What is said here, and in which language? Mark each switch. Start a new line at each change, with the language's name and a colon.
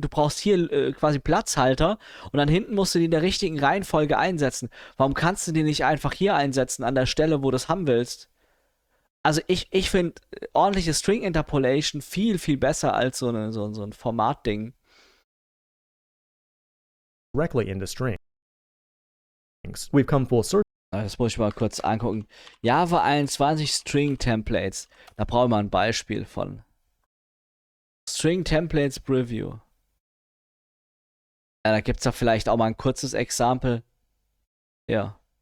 German: Du brauchst hier quasi Platzhalter. Und dann hinten musst du die in der richtigen Reihenfolge einsetzen. Warum kannst du die nicht einfach hier einsetzen, an der Stelle, wo du es haben willst? Also ich finde ordentliche String Interpolation viel, viel besser als so ein Format-Ding.
English: Directly into strings. We've come full circle.
German: das muss ich mal kurz angucken. Java 21 String Templates. Da brauchen wir ein Beispiel von. String Templates Preview. Ja, da gibt's da vielleicht auch mal ein kurzes Exempel. Ja.